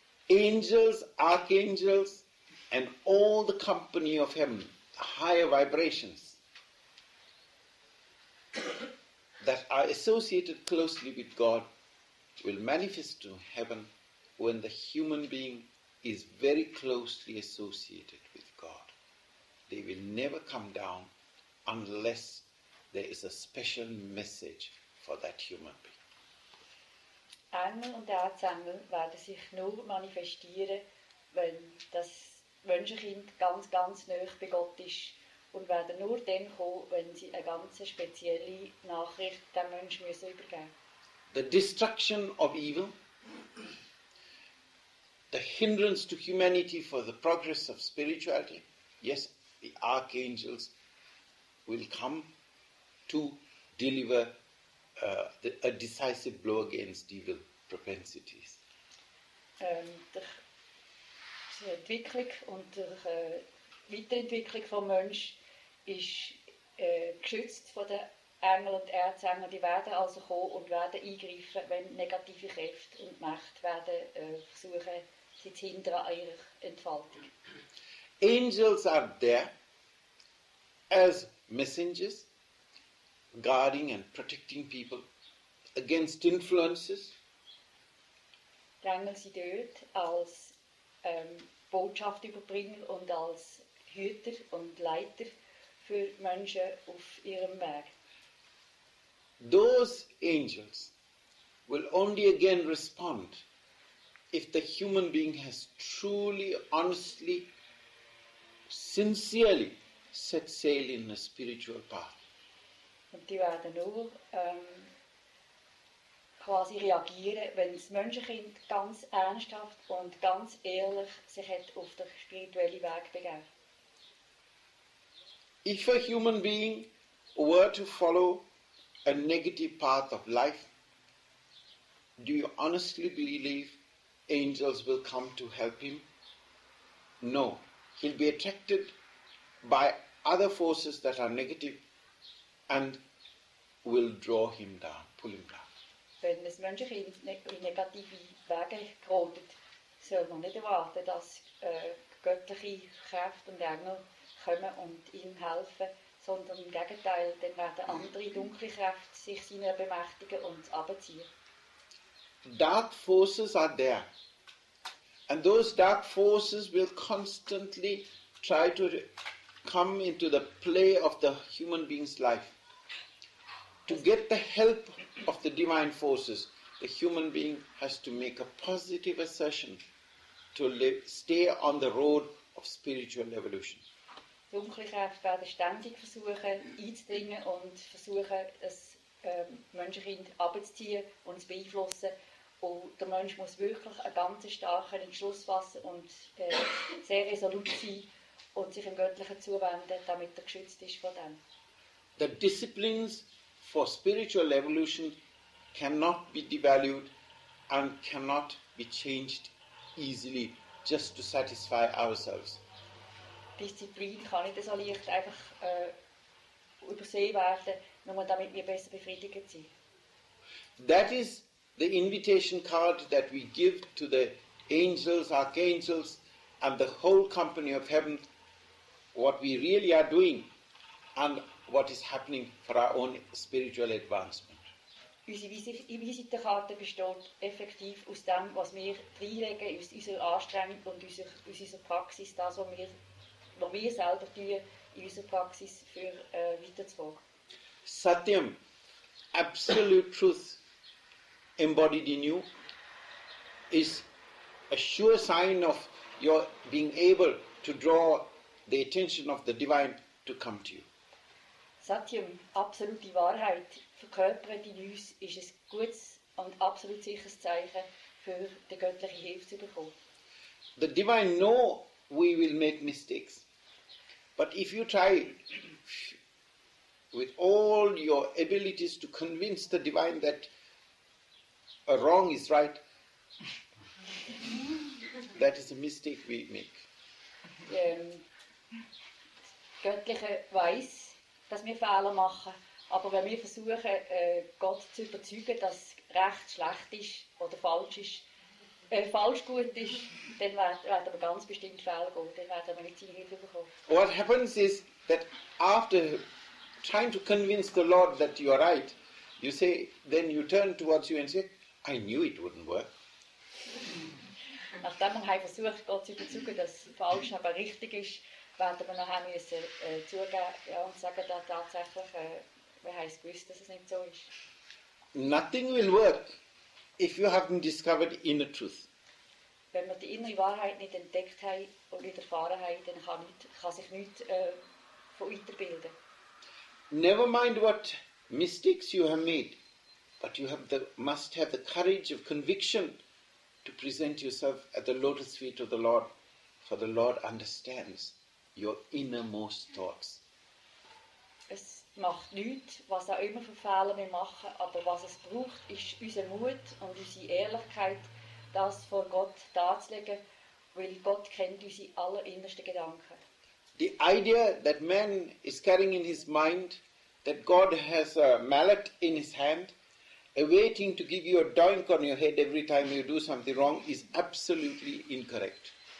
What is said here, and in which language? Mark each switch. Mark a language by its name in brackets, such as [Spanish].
[English] Angels, archangels, and all the company of heaven, the higher vibrations that are associated closely with God, will manifest to heaven when the human being is very closely associated with God. They will never come down unless there is a special message for that human being. [German] Engel und Erzengel werden sich nur manifestieren, wenn das Wünschekind ganz, ganz nahe bei Gott ist und werden nur dann kommen, wenn sie eine ganz spezielle Nachricht dem Menschen übergeben müssen. [English] The destruction of evil, the hindrance to humanity for the progress of spirituality, yes, the archangels will come to deliver a decisive blow against evil propensities. [German] Die Entwicklung und die Weiterentwicklung des Menschen ist geschützt von den Engeln und Erzengeln. Die werden also kommen und werden eingreifen, wenn negative Kräfte und Mächte werden versuchen, sie zu hindern an ihrer Entfaltung. [English] Angels are there as messengers, guarding and protecting people against influences. [German] Die Engel sind dort als Botschaft überbringen und als Hüter und Leiter für Menschen auf ihrem Weg. [English] Those angels will only again respond if the human being has truly, honestly, sincerely set sail in a spiritual path. [German] Und die werden nur quasi reagieren, wenn das Menschenkind ganz ernsthaft und ganz ehrlich sich hat auf den spirituellen Weg begeben. [English] If a human being were to follow a negative path of life, do you honestly believe angels will come to help him? No. He'll be attracted by other forces that are negative and will draw him down, pull him down. [German] Wenn ein Menschenkind in negative Wege gerodet, soll man nicht erwarten, dass göttliche Kräfte und Engel kommen und ihm helfen, sondern im Gegenteil, dann werden andere dunkle Kräfte sich seiner bemächtigen und abziehen. [English] Dark forces are there. And those dark forces will constantly try to come into the play of the human being's life. To get the help of the divine forces, the human being has to make a positive assertion to live, stay on the road of spiritual evolution. [German] Dunkle Kräfte werden ständig versuchen einzudringen und versuchen, das Menschenkind abzuziehen und zu beeinflussen. Und der Mensch muss wirklich einen ganz starken Entschluss fassen und sehr resolut sein und sich dem Göttlichen zuwenden, damit er geschützt ist von dem. [English] The disciplines for spiritual evolution cannot be devalued and cannot be changed easily just to satisfy ourselves. [German] Disziplin kann nicht so leicht einfach übersehen werden, nur damit wir besser befriedigt sind. [English] That is the invitation card that we give to the angels, archangels and the whole company of heaven, what we really are doing and what is happening for our own spiritual advancement. [German] Unsere Visitenkarte besteht effektiv aus dem, was wir reinlegen, aus unserer Anstrengung und aus unserer Praxis, das, was wir selber tun, in unserer Praxis für weiterzufolgen. [English] Satyam, absolute truth embodied in you, is a sure sign of your being able to draw the attention of the divine to come to you. [German] Satyam, absolute Wahrheit, verkörpert in uns, ist ein gutes und absolut sicheres Zeichen für die göttliche Hilfe zu bekommen. [English] The divine know we will make mistakes. But if you try with all your abilities to convince the divine that a wrong is right, that is a mistake we make. [German] Göttliche weiss, dass wir Fehler machen, aber wenn wir versuchen, Gott zu überzeugen, dass Recht schlecht ist oder falsch ist, falsch gut ist, dann werden wir ganz bestimmt Fehler gehen, dann werden wir nicht seine Hilfe bekommen. [English] What happens is that after trying to convince the Lord that you are right, you say, then you turn towards you and say, I knew it wouldn't work. [German] Nachdem wir haben versucht, Gott zu überzeugen, dass falsch aber richtig ist, werden wir nachher müssen, zugeben, ja, und sagen, dass tatsächlich, wir haben es gewusst, dass es nicht so ist. [English] Nothing will work if you haven't discovered inner truth. [German] Wenn wir die innere Wahrheit nicht entdeckt haben und nicht erfahren haben, dann kann sich nichts von weiterbilden. [English] Never mind what mistakes you have made, but you have must have the courage of conviction to present yourself at the lotus feet of the Lord, for the Lord understands your innermost thoughts. [German] Es macht nichts, was auch immer für Fehler wir machen, aber was es braucht, ist unser Mut und unsere Ehrlichkeit, das vor Gott darzulegen, weil Gott kennt unsere allerinnersten Gedanken. [English] The idea that man is carrying in his mind, that God has a mallet in his hand, awaiting to give you a doink on your head every time you do something wrong, is absolutely incorrect.